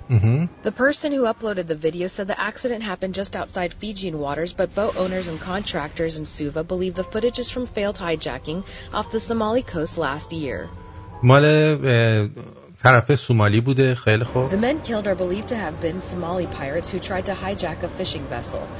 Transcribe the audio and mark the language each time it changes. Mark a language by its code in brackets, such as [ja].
[en] The person who uploaded the video said the accident happened just outside Fijian waters, but boat owners and contractors in Suva believe the footage is from failed hijacking off the Somali coast last year. [fa] مال طرف سومالی بوده خیلی خوب [en] The men killed are believed to have been Somali pirates who tried to hijack a fishing vessel.